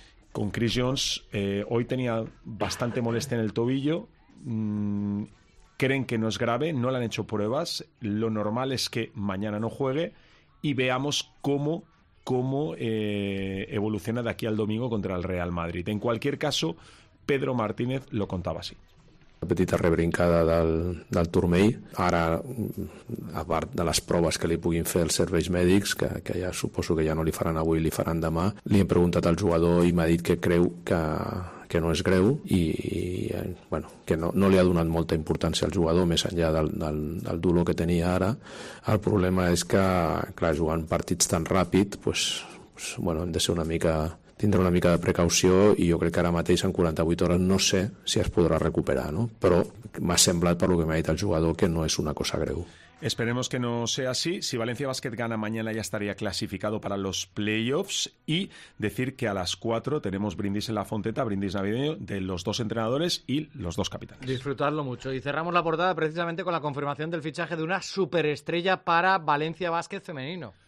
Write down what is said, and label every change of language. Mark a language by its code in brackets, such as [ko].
[es] Con Chris Jones, hoy tenía bastante molestia en el tobillo. Creen que no es grave, no le han hecho pruebas. Lo normal es que mañana no juegue y veamos cómo evoluciona de aquí al domingo contra el Real Madrid. En cualquier caso, Pedro Martínez lo contaba así. [ca] La petita rebrincada del turmell, ara, a part de les proves que li puguin fer els serveis mèdics, que ja suposo que ja no li faran avui, li faran demà, li hem preguntat al jugador i m'ha dit que creu que no és greu i que no li ha donat molta importància al jugador, més enllà del dolor que tenia ara. El problema és que, clar, jugant partits tan ràpid, pues, hem de ser una mica... tindrà una mica de precaució i jo crec que ara mateix en 48 hores no sé si es podrà recuperar, no? Però m'ha semblat, per lo que m'ha dit el jugador, que no és una cosa greu. [es] Esperemos que no sea así. Si Valencia Basket gana mañana, ya estaría clasificado para los playoffs. Y decir que a las 4 tenemos brindis en la Fonteta, brindis navideño de los dos entrenadores y los dos capitanes. Disfrutarlo mucho. Y cerramos la portada precisamente con la confirmación del fichaje de una superestrella para Valencia Basket femenino.